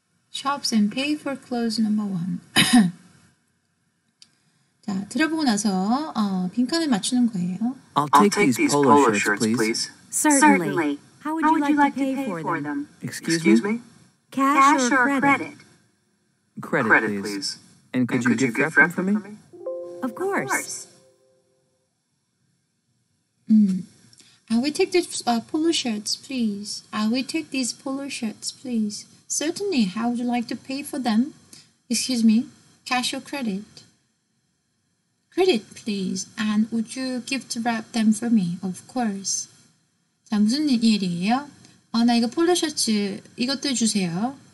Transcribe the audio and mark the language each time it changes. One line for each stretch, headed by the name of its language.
English: 'Shops and pay for clothes number 1.
Korean: 자, 들어보고 나서 빈칸을 맞추는 거예요.
English: I'll take these polo shirts, please. Certainly. How would you like to pay for them? Excuse me? Cash or credit? Credit, please. And could you get them for me? Of course. I will take these polo shirts, please. Certainly. How would you like to pay for them? Excuse me. Cash or credit? Credit, please. And would you gift wrap them for me? Of course.
Korean: 자, 무슨 일이에요? 나 이거 폴로 셔츠 이것들 주세요.